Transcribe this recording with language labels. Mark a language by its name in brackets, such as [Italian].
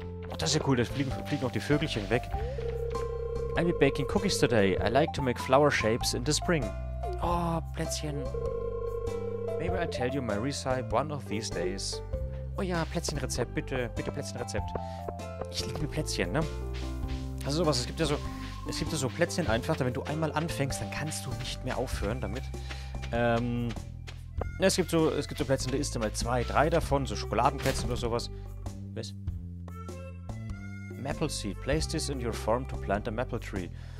[German] Oh, das ist ja cool, da fliegen auch die Vögelchen weg. [English] I'll be baking cookies today. I like to make flower shapes in the spring. [German] Oh, Plätzchen. [English] Maybe I'll tell you my recipe one of these days. [German] Oh ja, Plätzchenrezept, bitte. Bitte Plätzchenrezept. Ich liebe Plätzchen, ne? Also sowas, es gibt ja so Plätzchen einfach, da wenn du einmal anfängst, dann kannst du nicht mehr aufhören damit. Es gibt so Plätzchen, da isst du mal zwei, drei davon, so Schokoladenplätzchen oder sowas. Was? [English] Maple seed. Place this in your farm to plant a maple tree.